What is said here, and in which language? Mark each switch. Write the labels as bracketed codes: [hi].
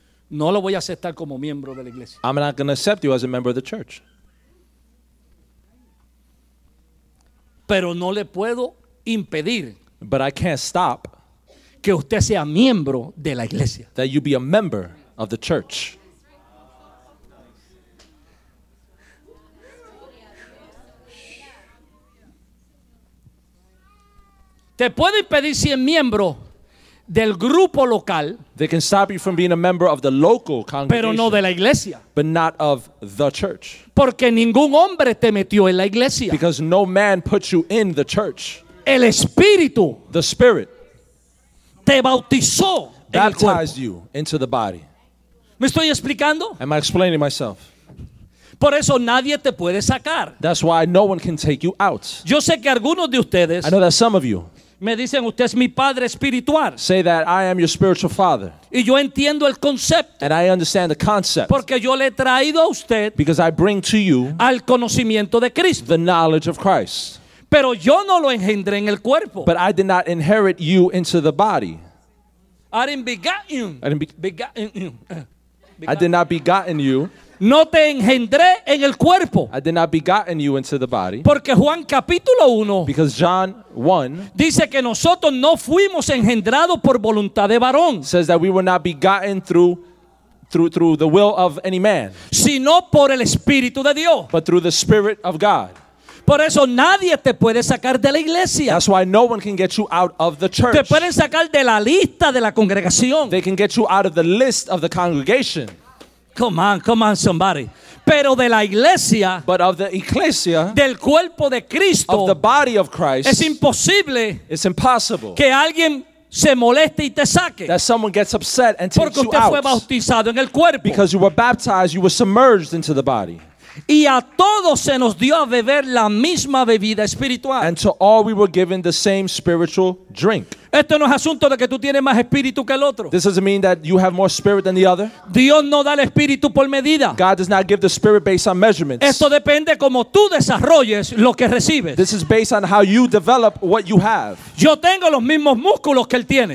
[es] No lo voy a aceptar como miembro de la iglesia. [en] I'm not going to accept you as a member of the church. [es] Pero no le puedo impedir. [en] But I can't stop. [es] Que usted sea miembro de la iglesia. [en] That you be a member of the church. [es] Te puedo impedir si es miembro del grupo local. [en] They can stop you from being a member of the local congregation. [es] Pero no de la iglesia. [en] But not of the church. [es] Porque ningún hombre te metió en la iglesia. [en] Because no man put you in the church. [es] El Espíritu. [en] The Spirit. [es] Te bautizó. [en] Baptized you into the body. [es] ¿Me estoy explicando? [en] Am I explaining myself? [es] Por eso nadie te puede sacar. [en] That's why no one can take you out. [es] Yo sé que algunos de ustedes. [en] I know that some of you. [es] Me dicen usted es mi padre espiritual. [en] Say that I am your spiritual father. [es] Y yo entiendo el concepto. [en] And I understand the concept. [es] Porque yo le he traído a usted. [en] Because I bring to you. [es] Al conocimiento de Cristo. [en] The knowledge of Christ. [es] Pero yo no lo engendré en el cuerpo. [en] But I did not inherit you into the body. I didn't begotten you. I didn't begotten you. I did not begotten you. [es] No te engendré en el cuerpo. [en] I did not begotten you into the body. [es] Porque Juan capítulo 1. [en] Because John 1. [es] Dice que nosotros no fuimos engendrados por voluntad de varón. [en] Says that we were not begotten through the will of any man. [es] Sino por el Espíritu de Dios. [en] But through the Spirit of God. [es] Por eso nadie te puede sacar de la iglesia. [en] That's why no one can get you out of the church. [es] Te pueden sacar de la lista de la congregación. [en] They can get you out of the list of the congregation. Come on, somebody. [es] Pero de la iglesia, [en] but of the ecclesia, [es] del cuerpo de Cristo, [en] of the body of Christ, [es] es imposible. [en] It's impossible [es] que alguien se moleste y te saque. [en] That someone gets upset and takes you out. [es] Porque usted fue bautizado en el cuerpo. [en] Because you were baptized, you were submerged into the body. [es] Y a todos se nos dio a beber la misma bebida espiritual. [en] And to all we were given the same spiritual drink. [es] Esto no es asunto de que tú tienes más espíritu que el otro. [en] This doesn't mean that you have more spirit than the other. [es] Dios no da el espíritu por medida. [en] God does not give the spirit based on measurements. [es] Esto depende como tú desarrolles lo que recibes. [en] This is based on how you develop what you have. [es] Yo tengo los mismos músculos que él tiene.